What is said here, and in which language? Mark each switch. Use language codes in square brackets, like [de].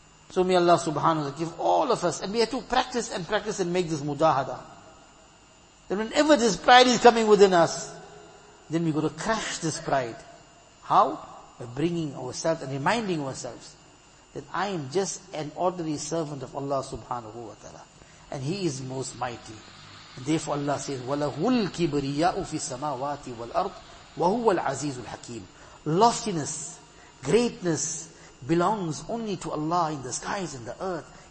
[en] So may Allah subhanahu wa ta'ala give all of us, and we have to practice and practice and make this mudahada. That whenever this pride is coming within us, then we got to crush this pride. How? By bringing ourselves and reminding ourselves that I am just an ordinary servant of Allah subhanahu wa ta'ala. And He is most mighty. Therefore Allah says, [ar] وَلَهُ الْكِبْرِيَاءُ فِي السَّمَاوَاتِ وَالْأَرْضِ وَهُوَ الْعَزِيزُ الْحَكِيمُ. [en] Loftiness, greatness belongs only to Allah in the skies and the earth.